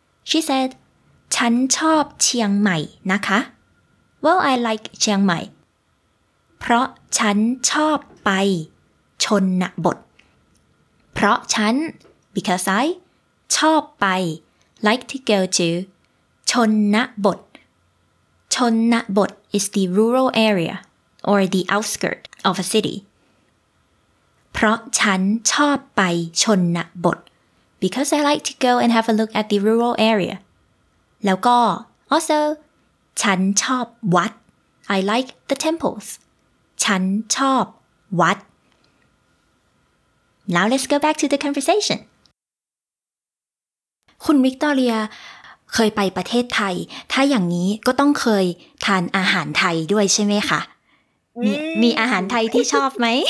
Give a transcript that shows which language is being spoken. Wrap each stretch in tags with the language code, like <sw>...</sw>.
<en>She said,</en> <th>ฉันชอบเชียงใหม่นะคะ?</th> <en>Well, I like เชียงใหม่.</en> <th>เพราะฉันชอบไปชนบท. เพราะฉัน,</th> <en>because I,</en> <th>ชอบไป,</th> <en>like to go to, ชนบท. ชนบท is the rural area or the outskirt of a city.</en> <th>เพราะฉันชอบไปชนบท</th> <en>because I like to go and have a look at the rural area</en> <th>แล้วก็</th> <en>also</en> <th>ฉันชอบวัด</th> <en>I like the temples ฉันชอบวัด Now let's go back to the conversation</en> <th>คุณวิกตอเรียเคยไปประเทศไทยถ้าอย่างนี้ก็ต้องเคยทานอาหารไทยด้วยใช่ไหมคะ มีอาหารไทยที่ชอบไหม</th>